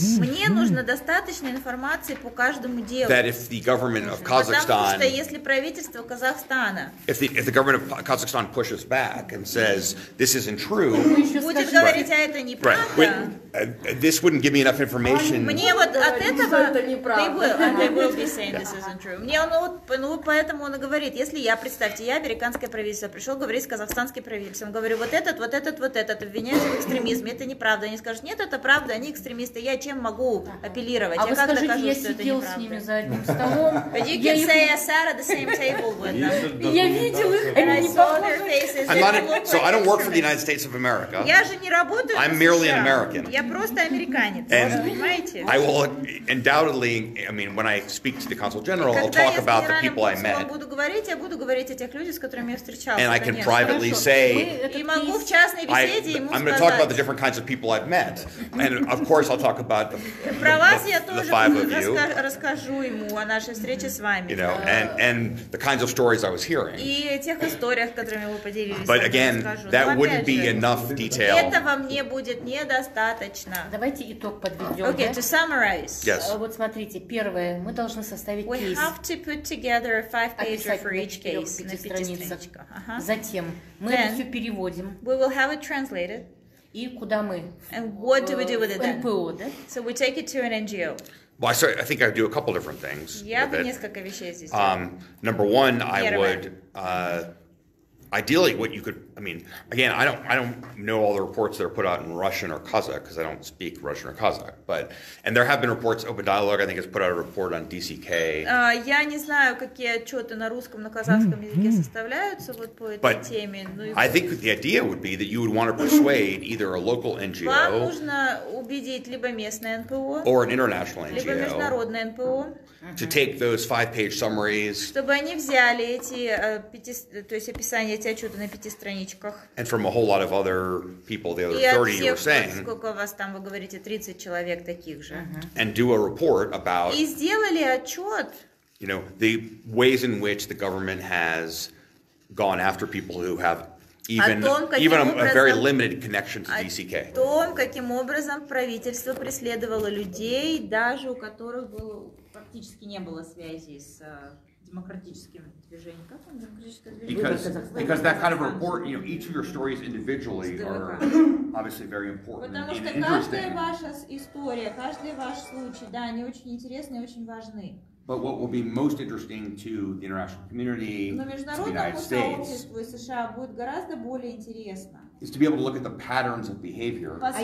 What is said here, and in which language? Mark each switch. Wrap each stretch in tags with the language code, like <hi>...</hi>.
<ru>Мне нужна достаточная информация по каждому делу.</ru> <en>That if the government of Kazakhstan,</en> <ru>потому что если правительство Казахстана,</ru> <en>if the government of Kazakhstan pushes back and says, this isn't true,</en> <ru>будет говорить, а это неправда.</ru> <en>Right. This wouldn't give me enough information.</en> <ru>Мне вот от этого...</ru> <en>They will be saying this isn't true.</en> <ru>Мне, поэтому он и говорит, если я, представьте, я американское правительство, пришел говорить с казахстанским правительством, говорю, вот этот, обвиняется в экстремизме, это неправда. Они скажут, нет, это правда, они экстремисты, я чем могу апеллировать? А я как скажите, докажу, я что сидел это неправда? С ними за одним столом.</ru> <en>But you can say, I sat at the same table with them.</en> <ru>Я видел их, они не похожи.</ru> <en>So I don't work for the United States of America.</en> <ru>Я же не работаю в США.</ru> <en>I'm merely an American.</en> <ru>Я просто американец, понимаете?</ru> <en>I will undoubtedly, I mean, when I speak to the consul general, I'll talk about the people I met.</en> <ru>Буду говорить, я буду говорить о тех людях, с которыми я встречался.</ru> <en>And I can privately say,</en> <ru>и могу в частной беседе ему сказать.</ru> <en>I'm going to talk about the different kinds of people I've met. And of course, I'll talk about the five of you.</en> <ru>Расскажу ему о нашей встрече с вами.</ru> <en>You know, and the kinds of stories I was hearing.</en> <ru>И тех историях, которыми вы поделились.</ru> <en>But again, that wouldn't be enough detail.</en> <ru>Этого мне будет недостаточно. Давайте итог подведем.</ru> <en>Okay,</en> <ru>да?</ru> <en>To summarize. Yes.</en> <ru>Вот смотрите, первое, мы должны составить</ru> <en>we</en> <ru>кейс.</ru> <en>We have to put together a five-pager for each case.</en> <ru>На пяти страницах. Затем мы это все переводим.</ru> <en>We will have it translated.</en> <ru>И куда мы?</ru> <en>And what do we do with it then?</en> <ru>НПО, да?</ru> <en>So we take it to an NGO. Well, I think I'd do a couple different things.</en> <ru>Я бы несколько вещей здесь.</ru> <en>Number one, I would ideally, what you could, I mean, again, I don't know all the reports that are put out in Russian or Kazakh, because I don't speak Russian or Kazakh, but, and there have been reports, Open Dialogue, I think, has put out a report on DCK.</en> <ru>Я не знаю, какие отчеты на русском, на казахском языке составляются вот по этой теме.</ru> <en>I think the idea would be that you would want to persuade either a local NGO.</en> <ru>Вам нужно убедить либо местное НПО.</ru> <en>Or an international NGO.</en> <ru>Либо международное НПО.</ru> <en>To take those 5-page summaries.</en> <ru>Чтобы они взяли эти, то есть описание. Эти отчеты на 5 страничках.</ru> <en>And from a whole lot of other people, the other 30</en> <ru>всех,</ru> <en>you were saying.</en> <ru>Сколько у вас там, вы говорите, 30 человек таких же.</ru> <en>And do a report about.</en> <ru>И сделали отчет.</ru> <en>You know, the ways in which the government has gone after people who have even a very limited connection to DCK.</en> <ru>О том, каким образом правительство преследовало людей, даже у которых было, практически не было связи с</ru> <en>Because that kind of report, you know, each of your stories individually are obviously very important and interesting.</en> <ru>Потому что каждая ваша история, каждый ваш случай, да, они очень интересны и очень важны.</ru> <en>But what will be most interesting to the international community, to the United States, is to be able to look at the patterns of behavior.</en>